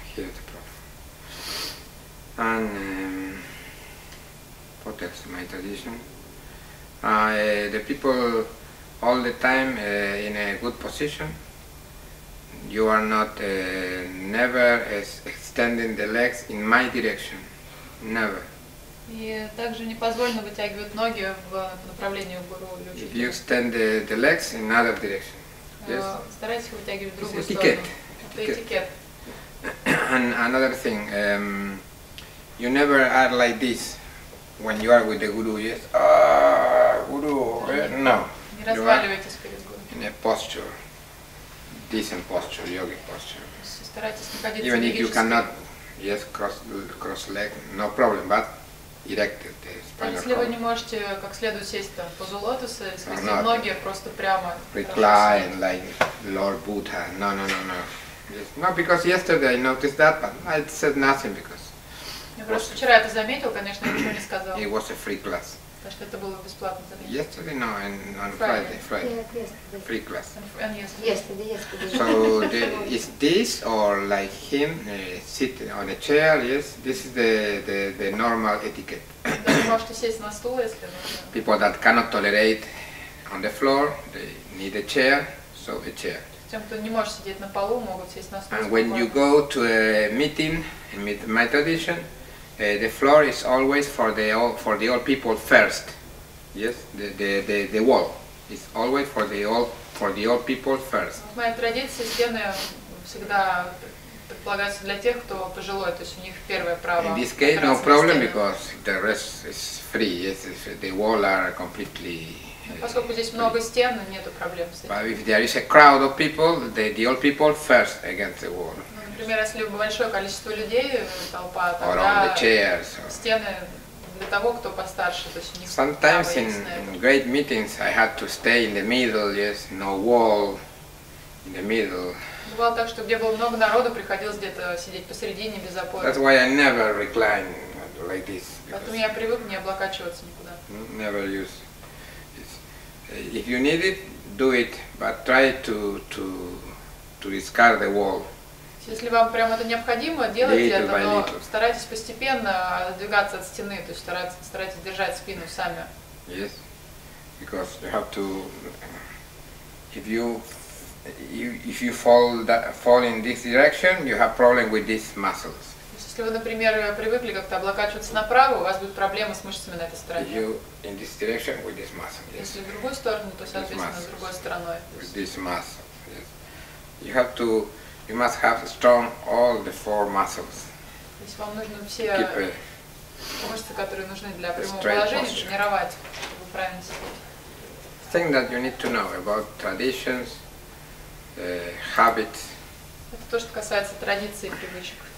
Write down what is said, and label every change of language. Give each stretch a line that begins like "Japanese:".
English: Here's the problem. And what else? My tradition. The people all the time in a good position. You are not never extending the legs in my direction. Never.
Russian: И также не позволено вытягивать ноги в направлении гуру или учителя.
English: If you extend the legs in another direction. Yes.
Russian: Старайтесь вытягивать в другую сторону. Этикет.
English: And another thing, you never are like this when you are with the guru. Yes. Guru. No.
Russian: Не разваливайтесь перед гуру.
English: In a posture. Decent posture, yogic posture.
Russian: Старайтесь не ходить.
English: Even if you cannot, yes, cross leg, no problem, but erected the spinal column.
Russian: Если вы не можете как следует сесть там позу лотоса, скрестив ноги просто прямо.
English: Recline like Lord Buddha. No. Yes. No, because yesterday I noticed that, but I said nothing because.
Russian: Я просто вчера это заметил, конечно, ничего не сказал.
English: It was a free class.
Russian: Потому что это было бесплатно занятие.
English: Yesterday, no, and on Friday. Free class. Yesterday. So is this or like him sitting on a chair? Yes, this is the normal etiquette.
Russian: Можете сесть на стул, если нужно.
English: People that cannot tolerate on the floor, they need a chair, so a chair.
Russian: Тем, кто не может сидеть на полу, могут сесть на стул.
English: And when you go to a meeting, in my tradition, the floor is always for the old people first. Yes, the wall is always for the old people first.
Russian: В моей традиции стены всегда предполагаются для тех, кто пожилой, то есть у них первое право.
English: In this case, no problem because the rest is free. Yes, if the wall are completely.
Russian: Поскольку здесь много стен, нет проблем с этим.
English: But if there is a crowd of people, the old people first against the wall.
Russian: Например, если большое количество людей, толпа,
English: or
Russian: тогда
English: the chairs, or
Russian: стены для того, кто постарше, то есть у них.
English: Sometimes in great meetings I had to stay in the middle, yes, no wall, in the middle.
Russian: Бывало так, что где было много народу, приходилось где-то сидеть посередине без опоры.
English: That's why I never recline like this.
Russian: Поэтому я привык не облокачиваться никуда.
English: Never use. It's, if you need it, do it, but try to discard the wall.
Russian: Если вам прямо это необходимо, делайте
English: little
Russian: это, но старайтесь постепенно отодвигаться от стены, то есть старайтесь держать спину сами.
English: Yes, because you have to, if you fall in this direction, you have problem with these muscles.
Russian: Если вы, например, привыкли как-то облокачиваться направо, у вас будут проблемы с мышцами на этой стороне.
English: You in this direction with this muscle. Yes.
Russian: Если в другую сторону, то соответственно с другой стороной.
English: With this muscle, yes. You have to. You must have strong all the four muscles.
Russian: Если вам нужны все мышцы, которые нужны для прямого положения, тренировать, чтобы правильно сидеть.
English: Thing that you need to know about traditions, habits.
Russian: Это то, что касается традиций и привычек.